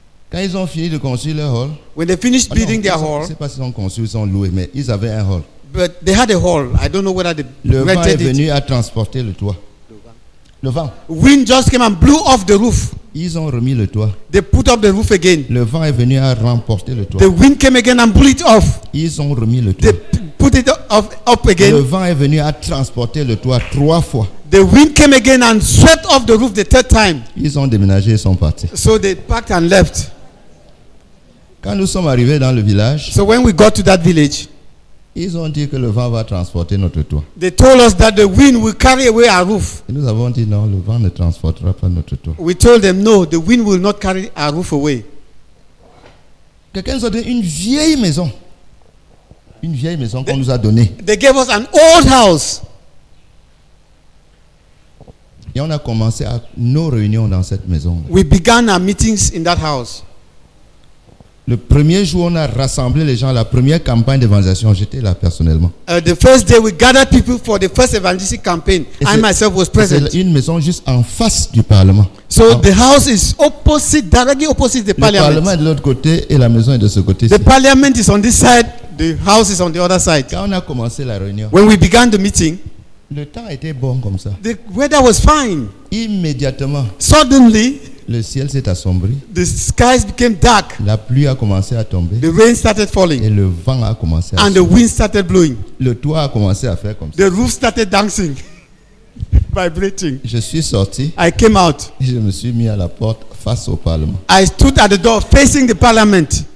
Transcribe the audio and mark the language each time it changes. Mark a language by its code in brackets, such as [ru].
[fr] Quand ils ont fini de construire leur hall, [en] when they finished building their hall, [fr] je ne sais pas s'ils ont construit ou s'ils ont loué, mais ils avaient un hall. [en] But they had a hall. I don't know whether they rented [fr] it. Le vent est venu à transporter le toit. Le vent. [en] Wind just came and blew off the roof. [fr] Ils ont remis le toit. [en] They put up the roof again. [fr] Le vent est venu à remporter le toit. [en] The wind came again and blew it off. [fr] Ils ont remis le toit. [en] They put it up again. [fr] Le vent est venu à transporter le toit trois fois. [en] The wind came again and swept off the roof the third time. [fr] Ils ont déménagé et sont partis. [en] So they packed and left. [fr] Quand nous sommes arrivés dans le village, [en] so when we got to that village, [fr] ils ont dit que le vent va transporter notre toit. [en] They told us that the wind will carry away our roof. [fr] Et nous avons dit non, le vent ne transportera pas notre toit. [en] We told them no, the wind will not carry our roof away. [fr] Quelqu'un nous a donné une vieille maison. Une vieille maison qu'on nous a donnée. [en] They gave us an old house. [fr] Et on a commencé nos réunions dans cette maison. [en] We began our meetings in that house. [fr] Le premier jour, on a rassemblé les gens. La première campagne d'évangélisation, j'étais là personnellement. [en] The first day, we gathered people for the first evangelistic campaign. I myself was present. [fr] C'est une maison juste en face du Parlement. [en] So the house is opposite, directly opposite the Parliament. [fr] Le Parlement est de l'autre côté et la maison est de ce côté. [en] The Parliament is on this side, the house is on the other side. [fr] Quand on a commencé la réunion, [en] when we began the meeting, [fr] le temps était bon comme ça. [en] The weather was fine. [fr] Immédiatement. [en] Suddenly. [fr] Le ciel s'est assombri. [en] The skies became dark. [fr] La pluie a commencé à tomber. [en] The rain started falling. [fr] Et le vent a commencé à [en] and [fr] souffler. [en] The wind started blowing. [fr] Le toit a commencé à faire comme [en] the [fr] ça. [en] The roof started dancing, vibrating. [fr] Je suis sorti. [en] I came out. [fr] Je me suis mis à la porte face au Parlement. [en] I stood at the door facing the Parliament.